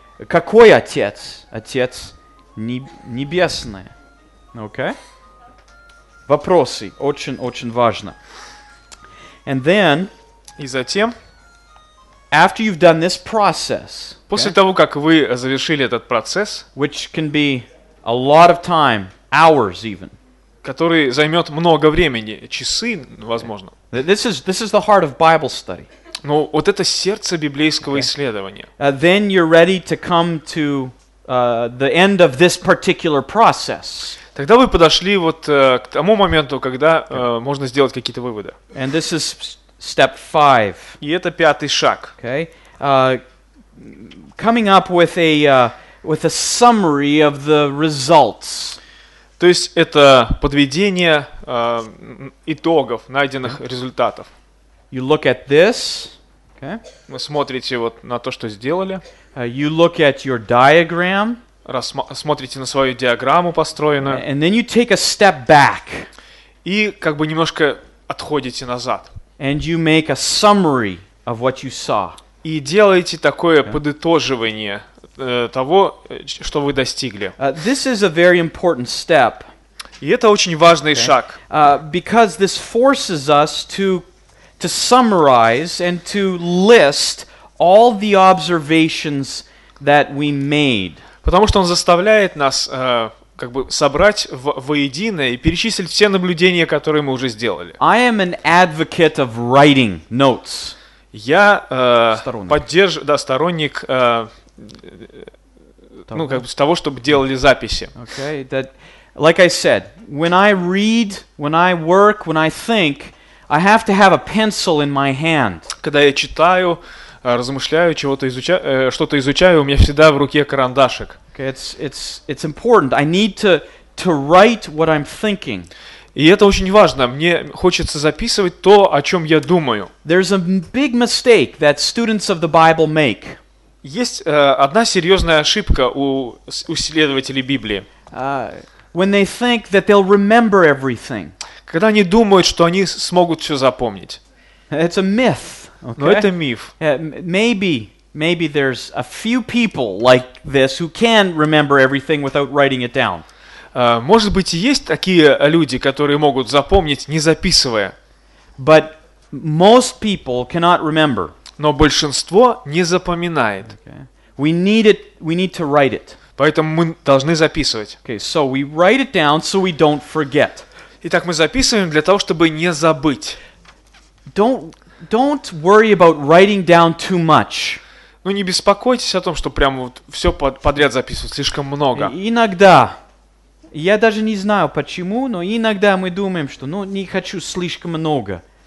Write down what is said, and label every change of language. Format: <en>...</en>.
<ru>Какой отец? Отец небесный. Okay? Вопросы. Очень-очень важно.</ru> <en>And then,</en> <ru>и затем,</ru> <en>after you've done this process, okay,</en> <ru>после того, как вы завершили этот процесс,</ru> <en>which can be a lot of time, hours even,</en> <ru>который займет много времени, часы, возможно.</ru> <en>This is the heart of Bible study.</en> <ru>Ну, вот это сердце библейского okay. исследования.</ru> <en>Then you're ready to come to the end of this particular process.</en> <ru>Тогда вы подошли вот к тому моменту, когда okay. Можно сделать какие-то выводы.</ru> <en>And this is step five.</en> <ru>И это пятый шаг.</ru> <en>Okay. Coming up with a summary of the results.</en> <ru>То есть это подведение итогов, найденных результатов.</ru> <en>You look at this, okay.</en> <ru>Вы смотрите вот на то, что сделали.</ru> <en>You look at your diagram,</en> <ru>смотрите на свою диаграмму построенную.</ru> <en>And then you take a step back,</en> <ru>и как бы немножко отходите назад.</ru> <en>And you make a summary of what you saw.</en> <ru>И делаете такое okay. подытоживание того, что вы достигли.</ru> <en>This is a very important step.</en> <ru>И это очень важный okay. шаг.</ru> <en>Because this forces us to summarize and to list all the observations that we made.</en> <ru>Потому что он заставляет нас как бы собрать воедино и перечислить все наблюдения, которые мы уже сделали.</ru> <en>I am an advocate of writing notes.</en> <ru>Я сторонник ну, как бы с того, чтобы делали записи.</ru> <en>Okay, that, like I said, when I read, when I work, when I think, I have to have a pencil in my hand.</en> <ru>Когда я читаю, размышляю, что-то изучаю, у меня всегда в руке карандашик.</ru> <en>Okay, it's important. I need to write what I'm thinking.</en> <ru>И это очень важно. Мне хочется записывать то, о чем я думаю.</ru> <en>There's a big mistake that students of the Bible make.</en> <ru>Есть одна серьезная ошибка у исследователей Библии.</ru> <en>When they think that they'll remember everything.</en> <ru>Когда они думают, что они смогут все запомнить.</ru> <en>It's a myth, okay?</en> <ru>Но это миф.</ru> <en>Maybe there's a few people like this who can remember everything without writing it down.</en> <ru>Может быть, есть такие люди, которые могут запомнить, не записывая.</ru> <en>But most people cannot remember.</en> <ru>Но большинство не запоминает.</ru> <en>Okay. We need to write it.</en> <ru>Поэтому мы должны записывать.</ru> <en>Okay, so we write it down so we don't forget.</en> <ru>Итак, мы записываем для того, чтобы не забыть.</ru> <en>Don't worry about writing down too much.</en> <ru>Ну не беспокойтесь о том, что прямо вот все подряд записывать слишком много. Иногда. Я даже не знаю почему, но иногда мы думаем, что ну не хочу слишком много.</ru>